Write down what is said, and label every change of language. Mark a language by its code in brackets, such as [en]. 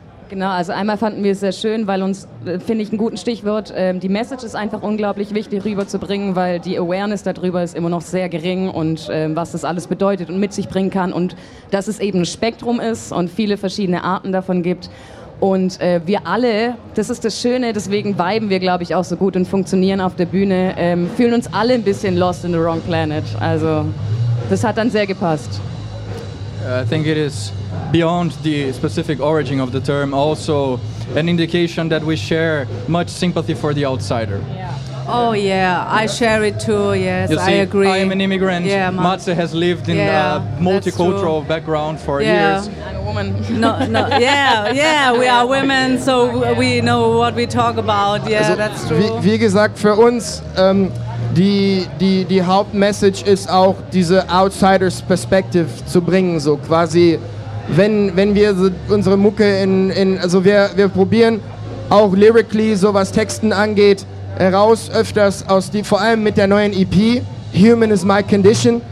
[de] Genau, also einmal fanden wir es sehr schön, weil uns, finde ich, ein guten Stichwort, die Message ist einfach unglaublich wichtig rüberzubringen, weil die Awareness darüber ist immer noch sehr gering und was das alles bedeutet und mit sich bringen kann. Und dass es eben ein Spektrum ist und viele verschiedene Arten davon gibt. Und wir alle, das ist das Schöne, deswegen viben wir, glaube ich, auch so gut und funktionieren auf der Bühne, fühlen uns alle ein bisschen [en] lost in the wrong planet. [de] Also das hat dann sehr gepasst. [en] I think it is beyond the specific origin of the term also an indication that we share much sympathy for the outsider. Yeah. Oh yeah, I share it too, yes, you see, I agree. I am an immigrant, yeah, Matze has lived in a multicultural background for years. I'm a woman. No, yeah, we are women, so we know what we talk about, yeah, also, that's true. [de] Wie gesagt, für uns, Die Hauptmessage ist auch, diese Outsiders Perspective zu bringen, so quasi, wenn wir so unsere Mucke in also wir probieren auch lyrically, so was Texten angeht, heraus öfters aus die, vor allem mit der neuen EP Human is my condition.